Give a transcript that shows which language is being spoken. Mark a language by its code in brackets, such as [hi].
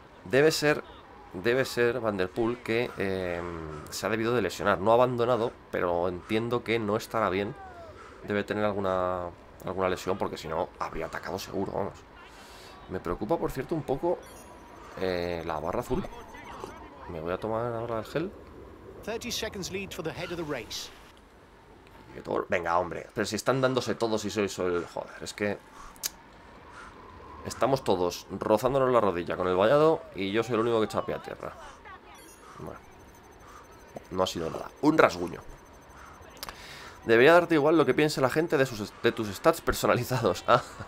[es] Debe ser Van der Poel que se ha debido de lesionar. No ha abandonado, pero entiendo que no estará bien. Debe tener alguna lesión, porque si no, habría atacado seguro, vamos. Me preocupa, por cierto, un poco la barra azul. Me voy a tomar ahora el gel. [en] 30 seconds lead for the head of the race. [es] Venga, hombre. Pero si están dándose todos y soy el... Joder, es que... Estamos todos rozándonos la rodilla con el vallado y yo soy el único que chapea a tierra. Bueno, no ha sido nada. Un rasguño. Debería darte igual lo que piense la gente de tus stats personalizados. Ah.